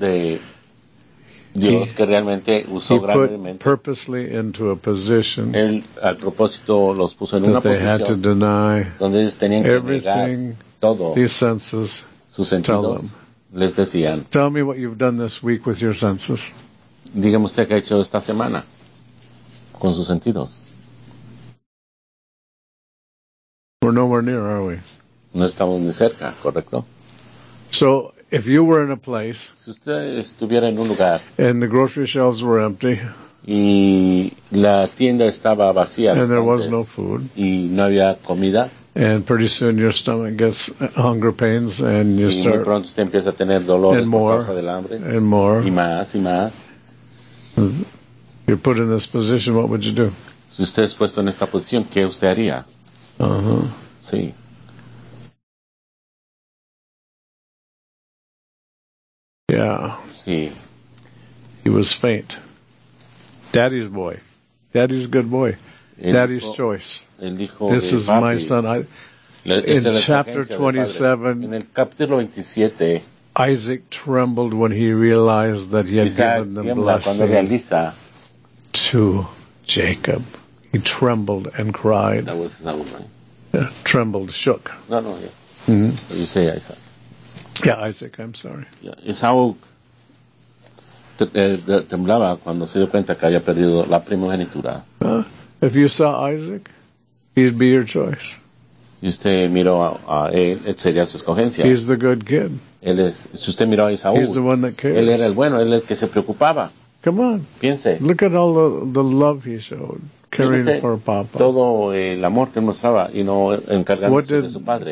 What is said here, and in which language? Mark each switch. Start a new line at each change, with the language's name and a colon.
Spanish: de Dios, que realmente usó
English: he put purposely into a position
Spanish: él, al propósito, los puso en
English: that
Spanish: una
English: they
Spanish: posición
English: had to deny
Spanish: donde ellos tenían que
English: everything
Spanish: todo.
English: These senses
Spanish: sus sentidos
English: tell them.
Spanish: Les decían,
English: tell me what you've done this week with your senses.
Spanish: Dígame usted qué ha hecho esta semana con sus sentidos.
English: We're nowhere near, are we?
Spanish: No estamos ni cerca, ¿correcto?
English: So, if you were in a place,
Spanish: si usted estuviera en un lugar,
English: and the grocery shelves were empty,
Spanish: y la tienda estaba vacía,
English: and there was no food,
Spanish: y no había comida,
English: and pretty soon your stomach gets hunger pains, and you
Spanish: y
English: start,
Spanish: muy pronto usted empieza a tener dolores
English: and more,
Spanish: por causa del hambre,
English: and more,
Spanish: y más, y más.
English: You're put in this position, what would you do?
Spanish: Si usted es puesto en esta posición, ¿qué usted haría?
English: Uh-huh.
Spanish: Sí.
English: Yeah.
Spanish: Sí.
English: He was faint. Daddy's boy. Daddy's good boy.
Spanish: El
English: Daddy's
Spanish: hijo,
English: choice.
Spanish: El hijo
English: this
Spanish: de
English: is
Spanish: papi.
English: My son. In chapter 27,
Spanish: en el capítulo 27,
English: Isaac trembled when he realized that he had
Spanish: Isaac
English: given the blessing to Jacob. He trembled and cried. That was Esau, right? Yeah, trembled, shook. No, yes. Mm-hmm. You say Isaac. Yeah, Isaac, I'm sorry.
Spanish: Yeah, Esau temblaba cuando se dio cuenta que había perdido la primogenitura.
English: If you saw Isaac, he'd be your choice.
Spanish: Si usted miró a él, sería su escogencia.
English: He's the good kid.
Spanish: Él es, si usted miró a Esau,
English: he's the one that cares.
Spanish: Él era el bueno, él era el que se preocupaba.
English: Come on.
Spanish: Piense.
English: Look at all the love he showed. caring for Papa.
Spanish: Todo el amor que mostraba y no encargándose de su padre.